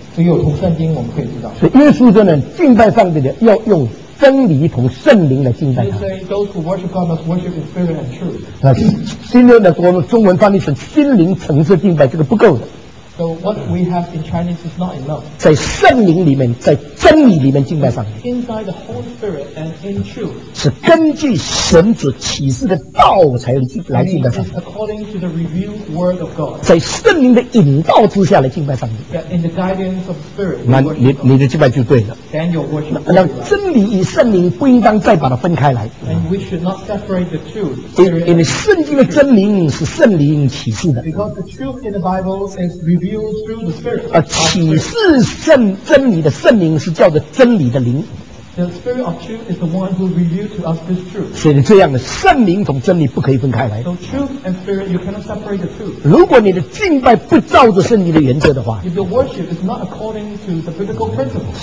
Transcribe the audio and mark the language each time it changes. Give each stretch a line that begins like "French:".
Chinese: 只有从圣经我们可以知道。所以耶稣说呢，敬拜上帝的要用真理同圣灵来敬拜他。
English: Those who worship God must worship in spirit and truth.
Chinese: 那新约的我们中文翻译成心灵诚实敬拜，这个不够的。
English: So what we have in Chinese is not enough.
Chinese: 在圣灵里面，在真理里面敬拜上帝。
English: Inside the Holy Spirit and in truth.
Chinese: 是根据神所启示的道才来敬拜上帝。
English: It's according to the revealed word of God.
Chinese: 在圣灵的引导之下来敬拜上帝。
English: In the guidance of spirit.
Chinese: 那你的敬拜就对了。
English: Then your worship.
Chinese: 那真理与圣灵不应当再把它分开来。
English: And we should not separate the two.
Chinese: 因为圣经的真理是圣灵启示的。
English: Because the truth in the Bible is revealed.
Chinese: 启示圣真理的圣灵是叫做真理的灵。
English: The spirit of truth is the one who reveals to us this truth.
Chinese: 所以这样的圣灵同真理不可以分开来。
English: So truth and spirit, you cannot separate the truth.
Chinese: 如果你的敬拜不照着圣灵的原则的话
English: ，If your worship is not according to the biblical principle,